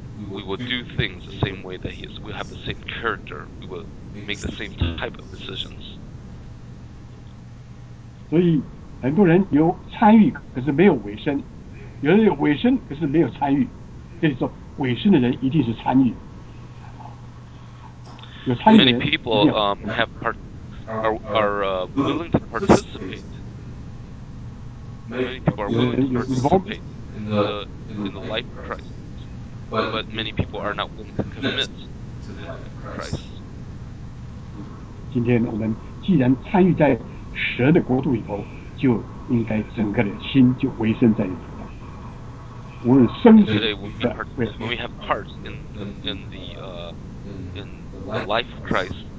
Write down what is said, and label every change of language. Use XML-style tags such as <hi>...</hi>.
<en>We will do things the same way that He is. We have the same character. We will make the same type of decisions.</en> <zh>所以很多人有参与，可是没有委身。有人有委身，可是没有参与。这里说委身的人一定是参与。有参与的人</zh> <en>Many people are willing to participate. Many people are willing to participate in the life of Christ. But many people are not willing to commit to the life of Christ.</en> <zh>今天我们既然参与在蛇的国度里头，就应该整个的心就委身在里头。</zh> <en>Today we have parts in the life of Christ.</en>